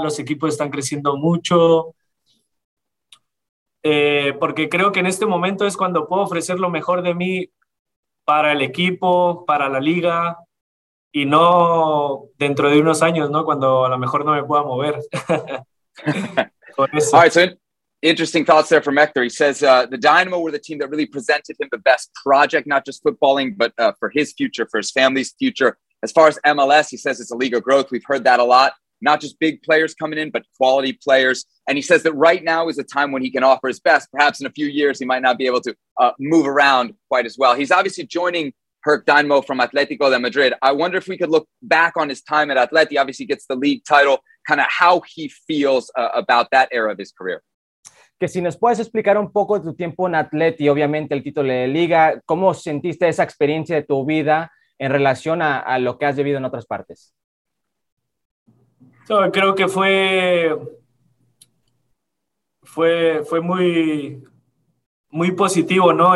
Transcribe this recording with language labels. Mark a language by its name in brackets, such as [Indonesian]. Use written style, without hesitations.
[Spanish] Los equipos están creciendo mucho. Porque creo que en este momento es cuando puedo ofrecer lo mejor de mí para el equipo, para la liga, y no dentro de unos años, ¿no? Cuando a lo mejor no me pueda mover. [English] All right, so interesting thoughts there from Héctor. He says the Dynamo were the team that really presented him the best project, not just footballing, but for his future, for his family's future. As far as MLS, he says it's a league of growth. We've heard that a lot. Not just big players coming in, but quality players. And he says that right now is a time when he can offer his best. Perhaps in a few years, he might not be able to move around quite as well. He's obviously joining Herc Dynamo from Atletico de Madrid. I wonder if we could look back on his time at Atleti. Obviously, gets the league title. Kind of how he feels about that era of his career. [Spanish] Que si nos puedes explicar un poco de tu tiempo en Atleti, obviamente el título de liga. ¿Cómo sentiste esa experiencia de tu vida en relación a lo que has vivido en otras partes? No, creo que fue muy, muy positivo, ¿no?